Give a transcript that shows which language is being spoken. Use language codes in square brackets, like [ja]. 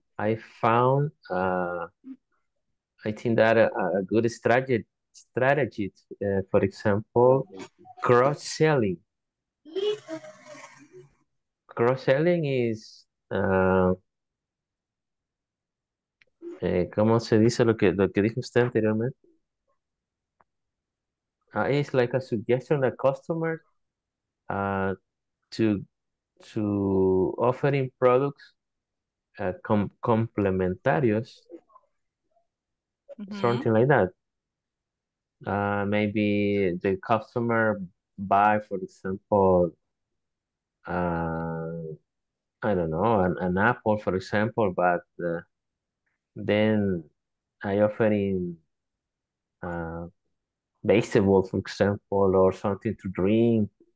[en] I found, I think that a good strategy, for example, cross-selling. Cross-selling is, [es] ¿cómo se dice lo que dijo usted anteriormente? [en] It's like a suggestion that customers to offering products complementarios, mm-hmm. something like that. Maybe the customer buy, for example, an apple, for example, but then I offering vegetables, for example, or something to drink.